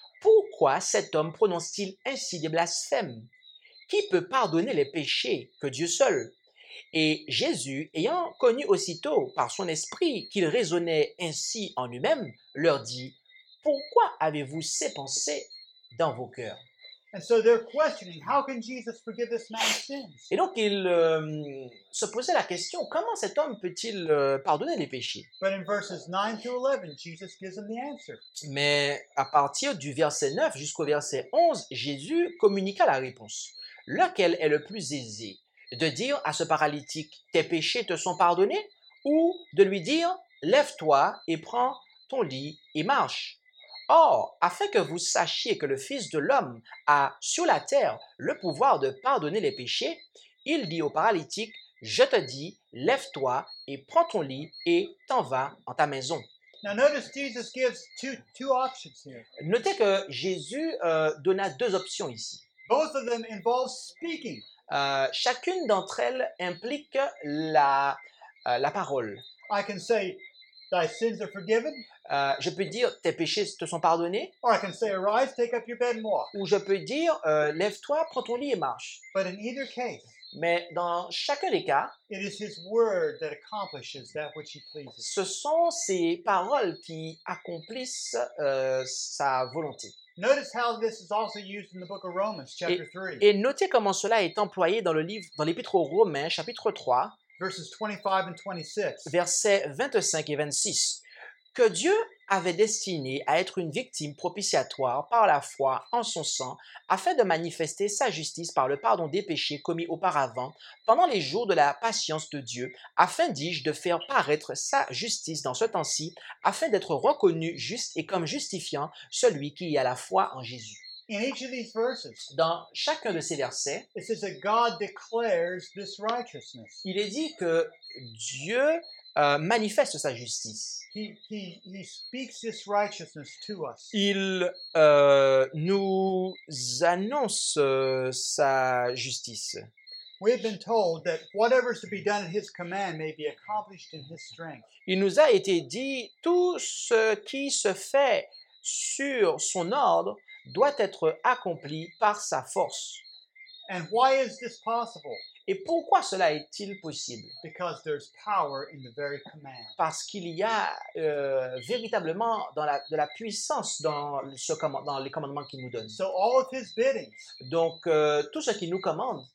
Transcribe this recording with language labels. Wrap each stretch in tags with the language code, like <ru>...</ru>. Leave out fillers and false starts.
<fr>Pourquoi cet homme prononce-t-il ainsi des blasphèmes? Qui peut pardonner les péchés que Dieu seul? Et Jésus, ayant connu aussitôt par son esprit qu'il raisonnait ainsi en lui-même, leur dit, pourquoi avez-vous ces pensées dans vos cœurs?</fr> <en>And so they're questioning, how can Jesus forgive this man's sins?</en> <fr>Et donc ils se posaient la question, comment cet homme peut-il pardonner les péchés?</fr> <en>But in verses 9 to 11, Jesus gives them the answer.</en> <fr>Mais à partir du verset 9 jusqu'au verset 11, Jésus communiqua la réponse. Lequel est le plus aisé, de dire à ce paralytique, tes péchés te sont pardonnés, ou de lui dire, lève-toi et prends ton lit et marche? Or, afin que vous sachiez que le Fils de l'homme a sur la terre le pouvoir de pardonner les péchés, il dit au paralytique, « Je te dis, lève-toi et prends ton lit et t'en vas en ta maison. »</fr> <en>Now notice Jesus gives two options here.</en> <fr>Notez que Jésus donna deux options ici.</fr> <en>Both of them involve speaking.</en> <fr>Chacune d'entre elles implique la parole.</fr> <en>I can say, Thy sins are forgiven.</en> <fr>Je peux dire, tes péchés te sont pardonnés.</fr> <en>Or I can say, arise, take up your bed and walk.</en> <fr>Ou je peux dire, lève-toi, prends ton lit et marche.</fr> <en>But in either case,</en> <fr>mais dans chacun des cas,</fr> <en>it is his word that accomplishes that which he pleases.</en> <fr>Ce sont ses paroles qui accomplissent sa volonté.</fr> <en>Notice how this is also used in the book of Romans, chapter 3.</en> <fr>Et notez comment cela est employé dans le livre, dans l'épître aux Romains, chapitre 3.</fr> <en>Verses 25 and 26.</en> <fr>Versets 25 et 26. Que Dieu avait destiné à être une victime propitiatoire par la foi en son sang, afin de manifester sa justice par le pardon des péchés commis auparavant, pendant les jours de la patience de Dieu, afin, dis-je, de faire paraître sa justice dans ce temps-ci, afin d'être reconnu juste et comme justifiant celui qui a la foi en Jésus.</fr> <en>In each of these verses,</en> <fr>dans chacun de ces versets,</fr> <en>it says that God declares this righteousness.</en> <fr>Il est dit que Dieu manifeste sa justice.</fr> <en>He speaks this righteousness to us.</en> <fr>Il nous annonce sa justice.</fr> <en>We've been told that whatever is to be done at his command may be accomplished in his strength.</en> <fr>Il nous a été dit tout ce qui se fait sur son ordre doit être accompli par sa force.</fr> <en>And why is this possible?</en> <fr>Et pourquoi cela est-il possible?</fr> <en>Because there's power in the very command.</en> <fr>Parce qu'il y a véritablement de la puissance dans les commandements qu'il nous donne.</fr> <en>So all of his biddings,</en> <fr>donc tout ce qu'il nous commande,</fr>